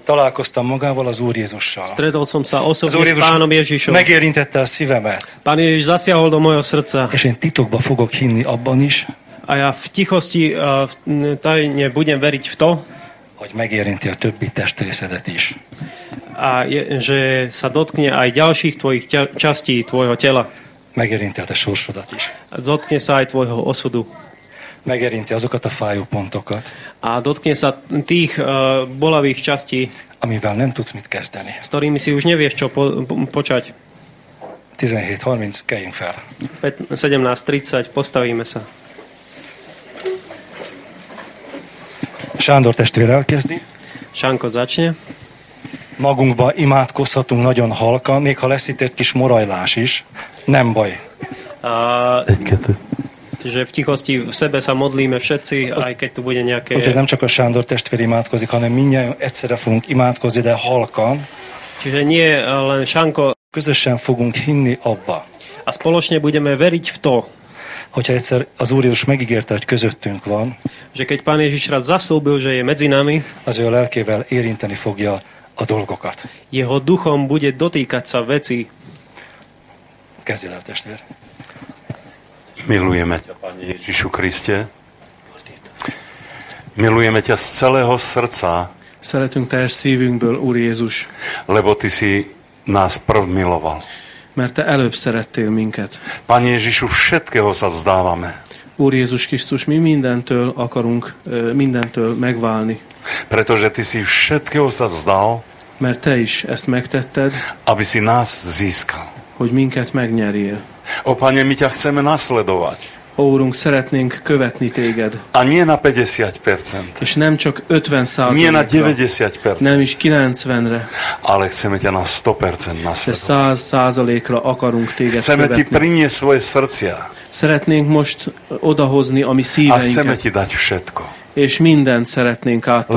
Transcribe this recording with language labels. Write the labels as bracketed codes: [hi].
[hu] Találkoztam magával az Úr Jézussal. [sk] Stretol som sa osobne s Pánom Ježišom. [hu] Megérintette a szívemet. [sk] Pán Ježiš zasiahol do mojho srdca. [hu] És én titokba fogok hinni abban is. [sk] A ja v tichosti tajne budem veriť v to. [hu] Hogy megérinti a többi testrészedet is. [sk] A že sa dotkne aj ďalších tvojich častí tvojho tela. [hu] Megérinti a te sorsodat is. [sk] Dotkne sa aj tvojho osudu. [hu] Megérinti azokat a fájú pontokat. [sk] A dotkne sa tých bolavých častí. [hu] Amivel nem tudsz mit kezdeni. [sk] S ktorými si už nevieš, čo počať. [hu] 17.30, kejjünk fel. [sk] 17.30, postavíme sa. [hu] Sándor testvér elkezdi. [sk] Sánko začne. [hu] Magunkba imádkozhatunk nagyon halkan, még ha lesz itt egy kis morajlás is. Nem baj. Egy, kettő. [sk] Čiže v tichosti v sebe sa modlíme všetci, aj keď tu bude nejaké... [hu] Úgyhogy nem csak a Sándor testvér imádkozik, hanem minnyáján egyszerre fogunk imádkozni, de halkan. [sk] Čiže nie len Sánko... [hu] Közösen fogunk hinni abba. [sk] A spoločne budeme veriť v to, [hu] hogyha egyszer az Úr Jézus megígérte, hogy közöttünk van, [sk] že keď Pán Ježiš raz zaszóbil, že je medzi nami, [hu] az ő lelkével érinteni fogja a dolgokat. [sk] Jeho duchom bude dotýkať sa veci. [hu] Kezdjél el, testvér. [sk] Milujeme ťa, Pane Ježišu Kriste. Milujeme ťa z celého srdca. [hu] Szeretünk teljes szívünkből, Úr Jézus. [sk] Lebo ty si nás prv miloval. [hu] Mert te előbb szerettél minket. [sk] Pane Ježišu, všetkého sa vzdávame. [hu] Úr Jézus Krisztus, mi mindentől akarunk, mindentől megválni. [sk] Pretože ty si všetkého sa vzdal. [hu] Mert te is ezt megtetted. [sk] Aby si nás získal. [hu] Hogy minket megnyerjél. [sk] Ó, Pane, my ťa chceme nasledovať. [hu] Ó, Úrunk, szeretnénk követni téged. [sk] A nie na 50%. [hu] És nem csak 50%. [sk] Nie na 90%. [hu] Nem is 90%-re. [sk] Ale chceme ťa na 100% nasledovať. [hu] 100%-ra akarunk téged [sk] chceme [hu] követni. [sk] Chceme ti priniesť svoje srdcia. [hu] Szeretnénk most odahozni a mi szíveinket. [sk] A chceme ti dať všetko. [hu] És mindent szeretnénk átadni.